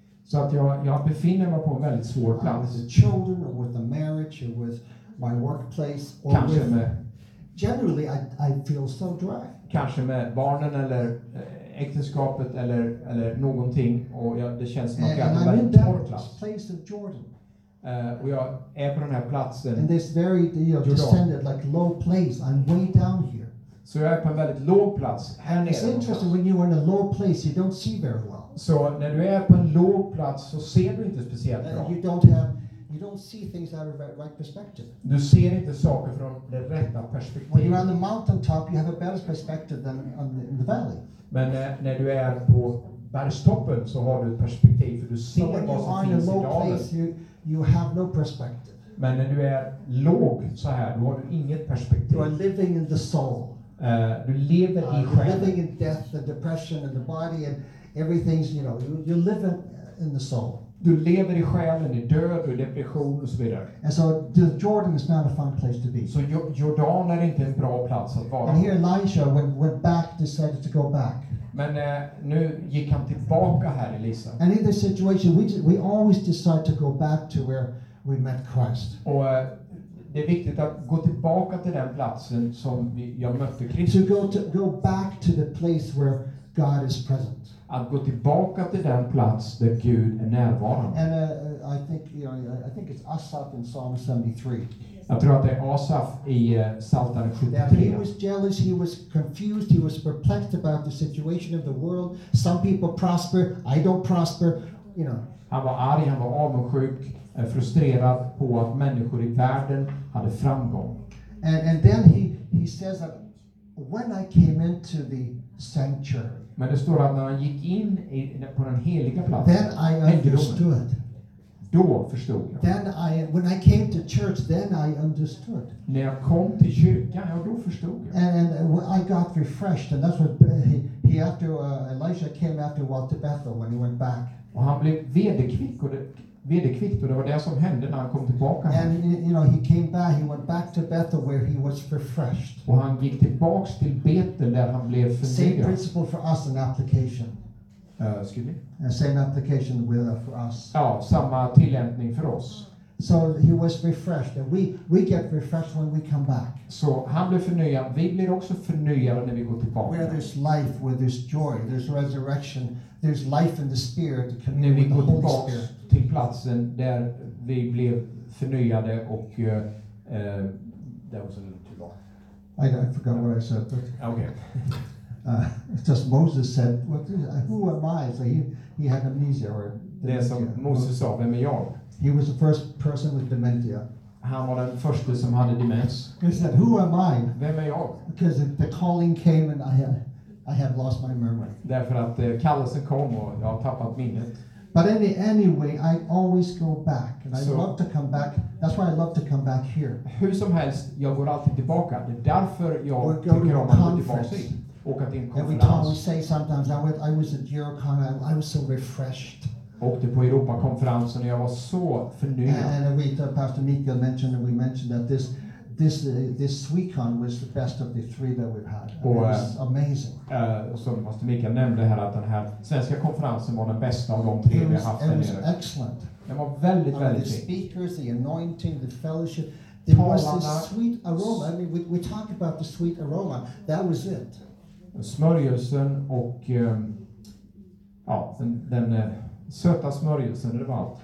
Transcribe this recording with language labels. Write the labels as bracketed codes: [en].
[sv] Så att jag befinner mig på en väldigt svår plats. [en] With the children, or with the marriage, or with my workplace, or [sv] kanske [en] with [sv] med, [en] generally, I feel so dry. [sv] Kanske med barnen eller äktenskapet eller någonting, och jag, det känns som att jag är väldigt torr plats. [en] Place of Jordan. [sv] Och jag är på den här platsen. [en] And this very descended, like low place. I'm way down here. [sv] Så jag är på en väldigt låg plats. [en] And it's interesting when you are in a low place, you don't see very well. [sv] Så när du är på en låg plats så ser du inte speciellt bra. [en] You don't see things out of right perspective. [sv] Du ser inte saker från det rätta perspektivet. [en] When you're on the mountaintop, you have a better perspective than in the valley. [sv] Men när du är på bergstoppen så har du ett perspektiv för du ser vad som finns i dalen. [en] So when you're in a low place, you have no perspective. [sv] Men när du är låg så här, då har du inget perspektiv. [en] You are living in the soul. [sv] Du lever i själen. [en] You're living in death and depression and the body and everything's, you know, you live in the soul. [sv] Du lever i själen, i död och depression och så vidare. [en] And so the Jordan is not a fun place to be. [sv] Så Jordan är inte en bra plats att vara. [en] And here Elijah went back, decided to go back. [sv] Men nu gick han tillbaka här, Elisa. [en] And in this situation, we always decide to go back to where we met Christ. [sv] Och det är viktigt att gå tillbaka till den platsen som jag mötte Kristus. [en] To go back to the place where God is present. [sv] Att gå tillbaka till den plats där Gud är närvarande. [en] And I think, you know, I think it's Asaph in Psalm 73. [sv] Jag tror att det är Asaph i Psaltaren 73. [en] He was jealous, he was confused, he was perplexed about the situation of the world. Some people prosper, I don't prosper, you know. [sv] Han var arg, han var avundsjuk, frustrerad på att människor i världen hade framgång. [en] And then he says that when I came into the sanctuary. [sv] Men det står att när han gick in på den heliga platsen. [en] Then I understood. [sv] Då förstod jag. [en] When I came to church, then I understood. [sv] När jag kom till kyrkan, ja, då förstod jag. [en] And I got refreshed, and that's what he after Elijah came after a while to Bethel when he went back. [sv] Och han blev vederkvickt, och det var det som hände när han kom tillbaka. [en] And you know, he came back, he went back to Bethel where he was refreshed. [sv] Och han gick tillbaks till Betel där han blev förnyad. [en] Same principle for us, an application. Excuse me? And same application for us. [sv] Ja, samma tillämpning för oss. [en] So he was refreshed, and we get refreshed when we come back. [sv] Så han blev förnyad, vi blir också förnyade när vi går tillbaka. [en] Where there's life, where there's joy, there's resurrection, there's life in the spirit. [sv] När vi går tillbaka till platsen där vi blev förnyade och [en] that was a little too long. I forgot what I said. But okay. Just Moses said, "What? Who am I?" So he had amnesia or [sv] det är som Moses sa, vem är jag? [en] He was the first person with dementia. [sv] Han var den första som hade demens. [en] He said, "Who am I?" [sv] Vem är jag? [en] Because the calling came and I had lost my memory. [sv] Därför att kallelsen kom och jag har tappat minnet. [en] But anyway, I always go back, and so, I love to come back. That's why I love to come back here. [sv] Hur som helst, jag går alltid tillbaka. Det är därför jag tycker om att gå tillbaka. och att din konferens. [en] Every time we say sometimes I was at Eurocon, I was so refreshed. [sv] Åkte på Europakonferensen och jag var så förnyad. [en] And we Pastor Mikael mentioned and we mentioned that this Swecon was the best of the three that we've had. [sv] Och, [en] it was amazing. [sv] Som Pastor Mikael nämnde här att den här svenska konferensen var den bästa av de tre vi har haft. [en] It was excellent. [sv] Det var väldigt väldigt. [en] The speakers, the anointing, the fellowship. There was this sweet aroma. I mean, we talked about the sweet aroma. That was it. [sv] Smörjelsen och ja, den söta smörjelsen, det var allt.